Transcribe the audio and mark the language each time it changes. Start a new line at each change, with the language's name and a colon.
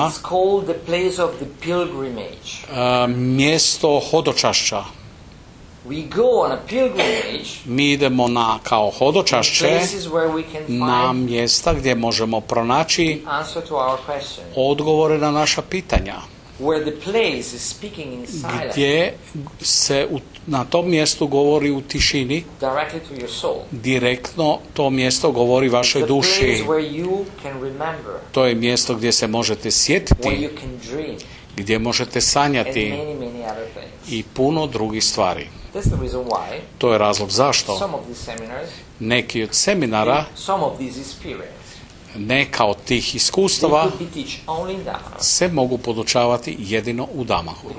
English: it's called the place of the pilgrimage.
Croatian: Mjesto hodočašća.
English: We go on a pilgrimage.
Croatian: Mi idemo na kao hodočašće, na mjesta gdje možemo pronaći odgovore na naša pitanja.
English: Where the place is speaking in silence.
Croatian: Gdje se na tom mjestu govori u tišini.
English: Directly to your soul.
Croatian: Direktno to mjesto govori vašoj duši.
English: It's the place where you can remember.
Croatian: To je mjesto gdje se možete sjetiti.
English: Where you can dream.
Croatian: Gdje možete sanjati.
English: And many, many other things.
Croatian: I puno drugih stvari.
English: That's the reason why.
Croatian: To je razlog zašto.
English: Some of these seminars,
Croatian: neki od seminara,
English: some of these experiences,
Croatian: neka od tih iskustava,
English: they could be teach only in Damanhur,
Croatian: se mogu podučavati jedino u Damanhuru.